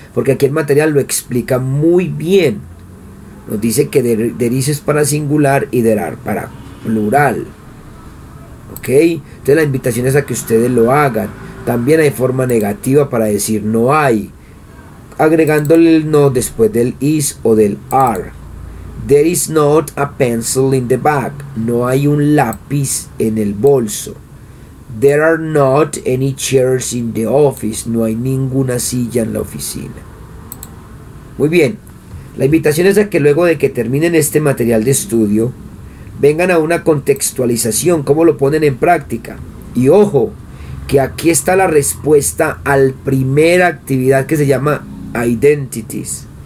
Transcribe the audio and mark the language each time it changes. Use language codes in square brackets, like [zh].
[es] Porque aquí el material lo explica muy bien. Nos dice que there is es para singular y there are para plural. Ok. Entonces la invitación es a que ustedes lo hagan. También hay forma negativa para decir no hay, agregándole el no después del is o del are. [en] There is not a pencil in the bag. [es] No hay un lápiz en el bolso. [en] There are not any chairs in the office. [es] No hay ninguna silla en la oficina. Muy bien. La invitación es a que luego de que terminen este material de estudio, vengan a una contextualización, cómo lo ponen en práctica. Y ojo, que aquí está la respuesta a la primera actividad que se llama Identities.